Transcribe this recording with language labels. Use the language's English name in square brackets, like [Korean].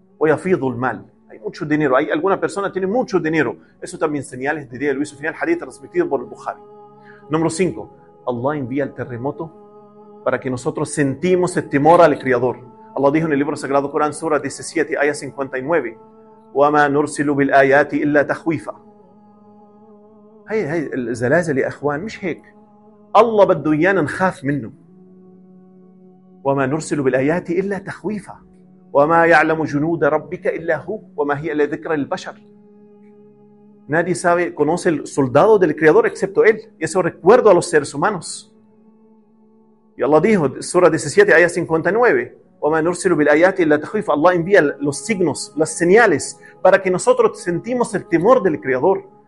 [Arabic] ويفيض المال. [Spanish] Hay mucho dinero. Hay alguna persona tiene mucho dinero. Eso también señales de día del juicio final. Hadith transmitido por el Bukhari. Número 5. Allah envía el terremoto para que nosotros sentimos el temor al Creador. Allah dijo en el libro sagrado Corán, Surah 17, Ayah 59. [Arabic] وَمَا نُرْسِلُ بِالْآيَاتِ إِلَّا تَخْوِيفًا هاي الزلازل يا أخوان. مش هيك. الله بده إيانا نخاف منه. وَمَا نُرْسِلُ بِالْآيَاتِ إِلَّا تَخْوِيفًا وما يعلم جنود ربك الا هو وما هي الا ذكر للبشر [Spanish] nadie sabe conoce el soldado del creador excepto él y eso recuerdo a los seres humanos y Allah dijo sura 17 ayah 59 [Arabic] وما نرسل بالايات الا تخويف [Spanish] Allah envía los signos las señales para que nosotros sentimos el temor del creador